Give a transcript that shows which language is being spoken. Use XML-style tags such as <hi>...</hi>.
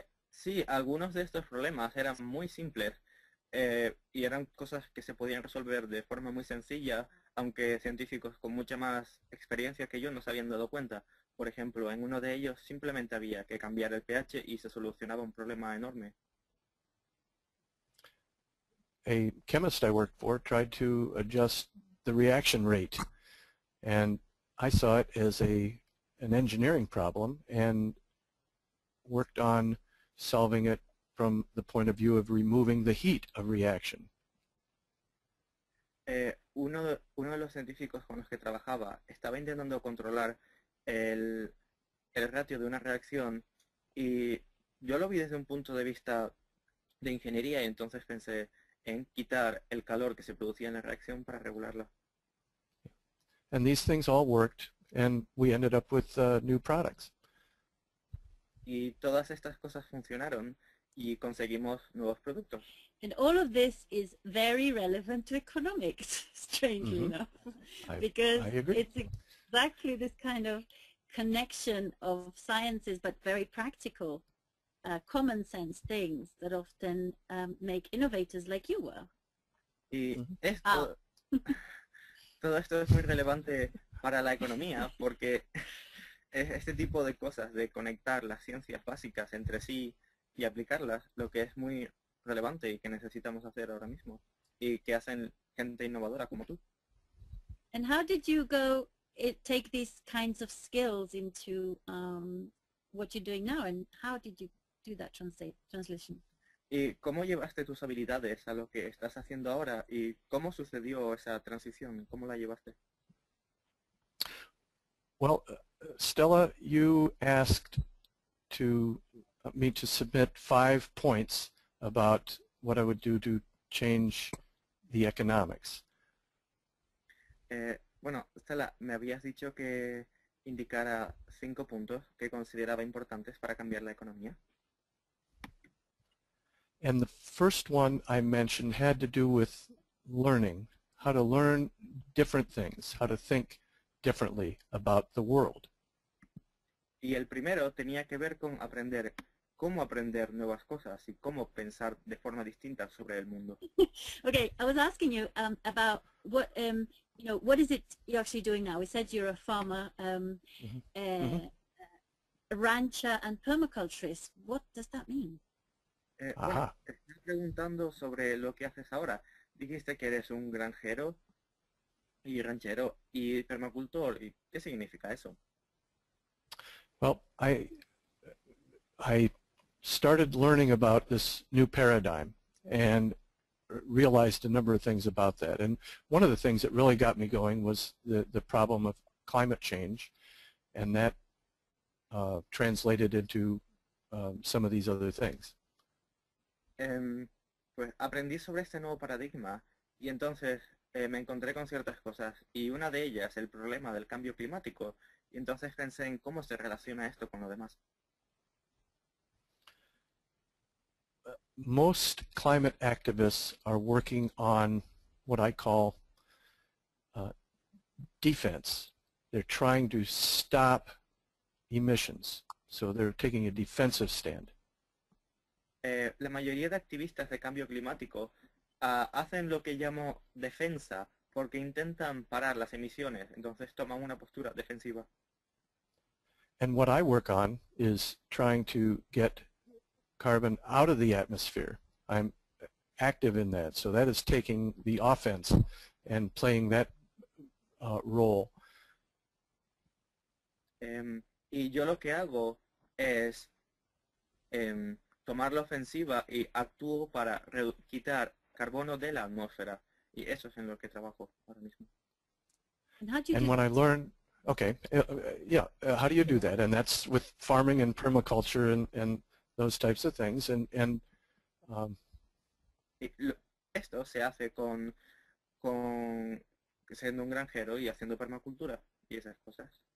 <es>Sí, algunos de estos problemas eran muy simples y eran cosas que se podían resolver de forma muy sencilla, aunque científicos con mucha más experiencia que yo no se habían dado cuenta. Por ejemplo, en uno de ellos simplemente había que cambiar el pH y se solucionaba un problema enorme.</es> <en>A chemist I worked for tried to adjust the reaction rate, and I saw it as an engineering problem and worked on solving it from the point of view of removing the heat of reaction.</en> <es>Uno de los científicos con los que trabajaba estaba intentando controlar el ratio de una reacción, y yo lo vi desde un punto de vista de ingeniería, y entonces pensé en quitar el calor que se producía en la reacción para regularlo.</es> <en>And these things all worked, and we ended up with new products.</en> <es>Y todas estas cosas funcionaron y conseguimos nuevos productos.</es> <en>And all of this is very relevant to economics, strangely enough. Because I agree. It's exactly this kind of connection of sciences, but very practical, common sense things that often make innovators like you were.</en> <es>Y esto, todo esto es muy relevante para la economía, porque es este tipo de cosas, de conectar las ciencias básicas entre sí y aplicarlas, lo que es muy relevante y que necesitamos hacer ahora mismo, y que hacen gente innovadora como tú.</es> <en>And how did you go take these kinds of skills into what you're doing now, and how did you do that translation?</en> <es>¿Y cómo llevaste tus habilidades a lo que estás haciendo ahora, y cómo sucedió esa transición? ¿Cómo la llevaste?</es> <en>Well, Stella, you asked to me to submit 5 points about what I would do to change the economics.</en> <es>Bueno, Stella, me habías dicho que indicara 5 puntos que consideraba importantes para cambiar la economía.</es> <en>And the first one I mentioned had to do with learning, how to learn different things, how to think differently about the world.</en> <es>Y el primero tenía que ver con aprender, cómo aprender nuevas cosas y cómo pensar de forma distinta sobre el mundo.</es> <en>Okay, I was asking you about what, you know, what is it you're actually doing now? We said you're a farmer, a rancher and permaculturist. What does that mean?</en> <es>Bueno, te estoy preguntando sobre lo que haces ahora. Dijiste que eres un granjero y ranchero y permacultor. ¿Y qué significa eso?</es> <en>Well, I started learning about this new paradigm and realized a number of things about that. And one of the things that really got me going was the problem of climate change, and that translated into some of these other things.</en> <es>Pues aprendí sobre este nuevo paradigma y entonces me encontré con ciertas cosas, y una de ellas el problema del cambio climático, y entonces pensé en cómo se relaciona esto con lo demás.</es> <en>Most climate activists are working on what I call defense. They're trying to stop emissions, so they're taking a defensive stand.</en> <es>La mayoría de activistas de cambio climático hacen lo que llamo defensa, porque intentan parar las emisiones, entonces toman una postura defensiva.</es> <en>And what I work on is trying to get carbon out of the atmosphere. I'm active in that, so that is taking the offense and playing that role.</en> <es>Y yo lo que hago es tomar la ofensiva y actúo para quitar carbono de la atmósfera, y eso es en lo que trabajo ahora mismo.</es> <en>And when I learn, okay, yeah, how do you do that? And that's with farming and permaculture and those types of things.</en> <es>Esto se hace con siendo un granjero y haciendo permacultura y esas cosas.</es>